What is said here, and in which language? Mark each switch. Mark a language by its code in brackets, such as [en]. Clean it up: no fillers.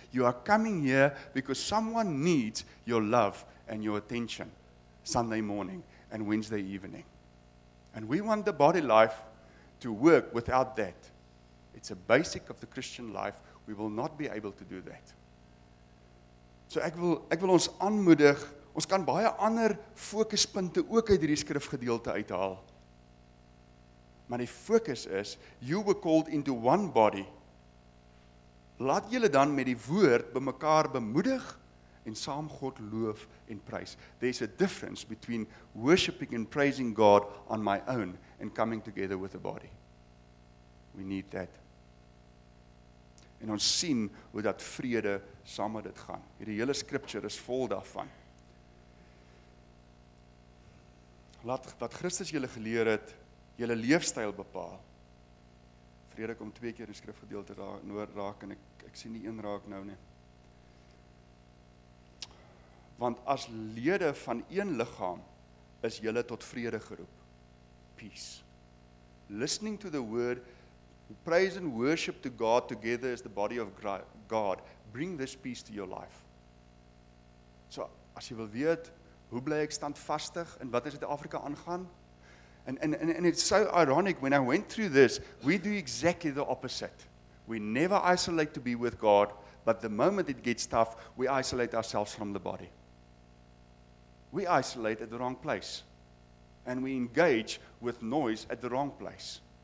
[en] You are coming here because someone needs your love and your attention. Sunday morning and Wednesday evening. And we want the body life to work without that. It's a basic of the Christian life. We will not be able to do that. [af] So ek wil ons aanmoedig, ons kan baie ander fokuspunte ook uit hierdie skrifgedeelte uithaal. Maar die fokus is, you were called into one body. Laat julle dan met die woord by mekaar bemoedig en saam God loof en prys. [en] There's a difference between worshiping and praising God on my own and coming together with a body. [af] We need that. En ons sien hoe dat vrede saam met dit gaan. Hierdie hele scripture is vol daarvan. Laat wat Christus julle geleer het, julle leefstyl bepaal. Vrede kom twee keer in skrifgedeelte raak en ek sien die een raak nou nie. Want as lede van een liggaam is julle tot vrede geroep. [en] Peace. Listening to the word, praise and worship to God together as the body of God. Bring this peace to your life. [af] So, as jy wil weet, hoe bly ek standvastig en wat is Suid-Afrika aangaan? [en] And it's so ironic, when I went through this, we do exactly the opposite. We never isolate to be with God, but the moment it gets tough, we isolate ourselves from the body. We isolate at the wrong place. And we engage with noise at the wrong place.